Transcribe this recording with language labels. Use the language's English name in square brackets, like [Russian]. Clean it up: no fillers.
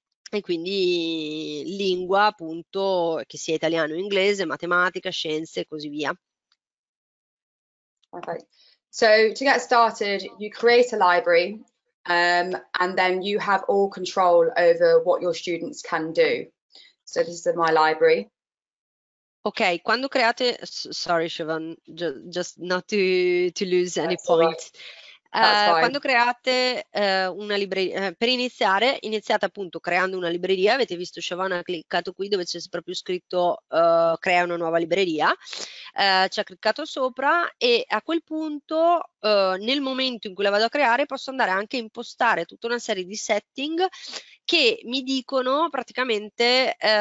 [Italian] E quindi lingua, appunto, che sia italiano o inglese, matematica, scienze e così via. [English] Okay. So to get started, you create a library, and then you have all control over what your students can do. So this is my library. [Italian] Ok, quando create, [English] sorry Siobhan, just not to lose That's any point. All right. That's [Italian] quando create una libreria, per iniziare, iniziate appunto creando una libreria. Avete visto, Siobhan ha cliccato qui dove c'è proprio scritto crea una nuova libreria, ci ha cliccato sopra, e a quel punto, nel momento in cui la vado a creare, posso andare anche a impostare tutta una serie di setting che mi dicono praticamente